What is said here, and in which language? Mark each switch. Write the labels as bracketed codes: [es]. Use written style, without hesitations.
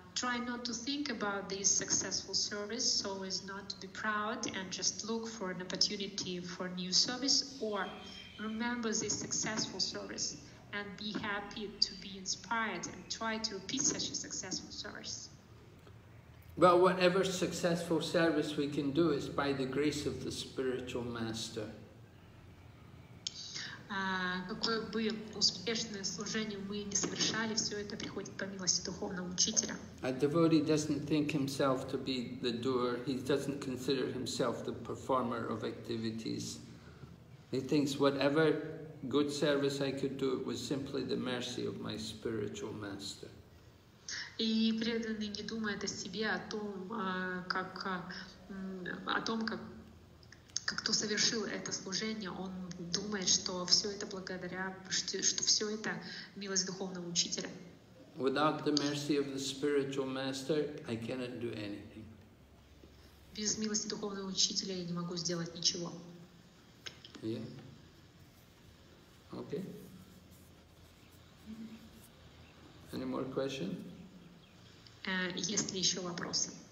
[en] Try not to think about this successful service, so as not to be proud and just look for an opportunity for new service, or remember this successful service and be happy to be inspired and try to repeat such a successful service. Well, whatever successful service we can do is by the grace of the spiritual master. [ru] Какое бы успешное служение мы ни совершали, все это приходит по милости духовного учителя. [en] A devotee doesn't think himself to be the doer, he doesn't consider himself the performer of activities. He thinks whatever good service I could do was simply the mercy of my spiritual master. [ru] И преданный не думает о себе, о том, как кто совершил это служение, он думает, что все это благодаря, что все это милость духовного учителя. [en] Without the mercy of the spiritual master, I cannot do anything. [ru] Без милости духовного учителя я не могу сделать ничего. [en] Yeah. Okay. Any more question? [ru] Есть ли еще вопросы?